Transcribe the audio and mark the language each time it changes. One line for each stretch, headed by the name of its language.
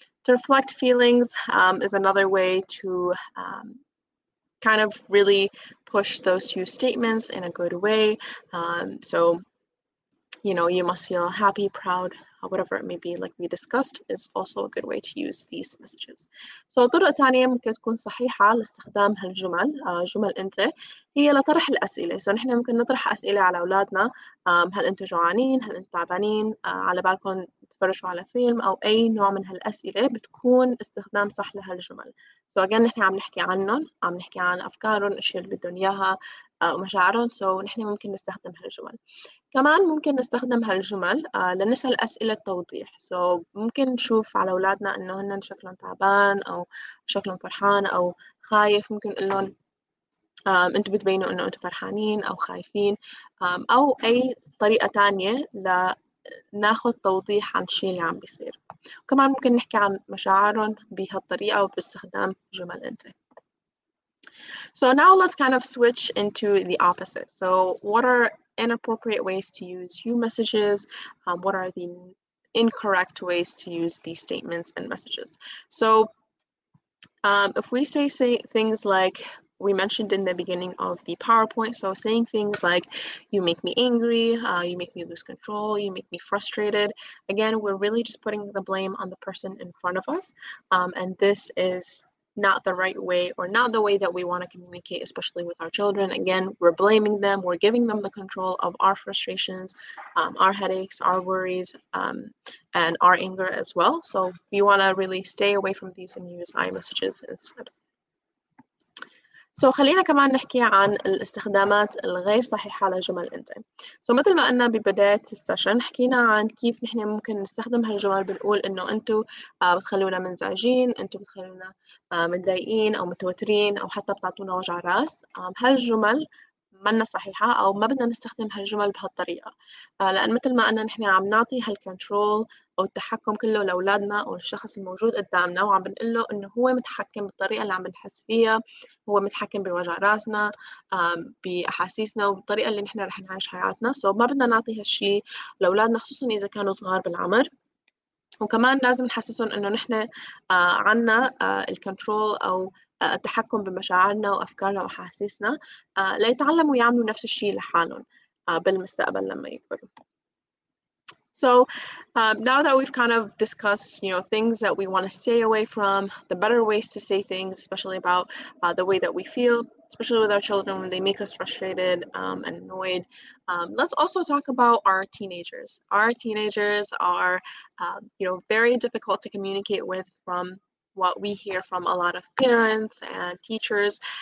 English: To reflect feelings is another way to kind of really push those you statements in a good way. So you know, you must feel happy, proud, whatever it may be, like we discussed, is also a good way to use these messages.
Arabic: So طرق تانية ممكن تكون صحيحة لاستخدام هالجمل جمل انت هي لطرح الأسئلة. So نحن ممكن نطرح أسئلة على أولادنا، هل أنتوا جوعانين؟ هل أنتوا تعبانين؟ على بالكم تفرشوا على فيلم؟ أو أي نوع من هالأسئلة بتكون استخدام صح لهالجمل.
English: So again,
Arabic: نحن عم نحكي عنهم، عم نحكي عن أفكارهم، الأشياء اللي بدهم إياها، مشاعرهم. So نحن ممكن نستخدم هالجمل. كمان ممكن نستخدم هالجمل لنسأل أسئلة توضيح. So ممكن نشوف على أولادنا إنه هن شكلهم تعبان أو شكلهم فرحان أو خايف، ممكن نقول لهم أنتوا بتبينوا إنه أنتوا فرحانين أو خايفين، أو أي طريقة تانية ناخد توضيح عن الشيء اللي عم بيصير. كمان ممكن نحكي عن مشاعرهم بهالطريقة وباستخدام جمل أنت.
English: So now let's kind of switch into the opposite. So what are inappropriate ways to use you messages? What are the incorrect ways to use these statements and messages? So if we say things like we mentioned in the beginning of the PowerPoint, so saying things like, you make me angry, you make me lose control, you make me frustrated. Again, we're really just putting the blame on the person in front of us. And this is not the right way, or not the way that we want to communicate, especially with our children. Again, we're blaming them, we're giving them the control of our frustrations, our headaches, our worries, and our anger as well. So you want to really stay away from these and use I messages instead.
Arabic: So خلينا كمان نحكي عن الاستخدامات الغير صحيحة لجمل أنت. So مثل ما قلنا ببداية السيشن حكينا عن كيف نحن ممكن نستخدم هالجمل بنقول إنه أنتوا بتخلونا منزعجين، أنتوا بتخلونا متضايقين أو متوترين أو حتى بتعطونا وجع راس. هالجمل منا صحيحة أو ما بدنا نستخدم هالجمل بهالطريقة. لأن مثل ما قلنا نحن عم نعطي هالكنترول أو التحكم كله لأولادنا أو الشخص الموجود قدامنا وعم بنقول له إنه هو متحكم بالطريقة اللي عم بنحس فيها، هو متحكم بوجع راسنا، بأحاسيسنا وبالطريقة اللي نحن رح نعيش حياتنا. سو ما بدنا نعطي هالشي لأولادنا خصوصاً إذا كانوا صغار بالعمر. وكمان لازم نحسسهم إنه نحن عنا الكنترول أو التحكم بمشاعرنا وأفكارنا وأحاسيسنا ليتعلموا يعملوا نفس الشي لحالهم بالمستقبل لما يكبروا.
English: So now that we've kind of discussed, you know, things that we want to stay away from, the better ways to say things, especially about the way that we feel, especially with our children when they make us frustrated and annoyed. Let's also talk about our teenagers. Our teenagers are, you know, very difficult to communicate with from what we hear from a lot of parents and teachers.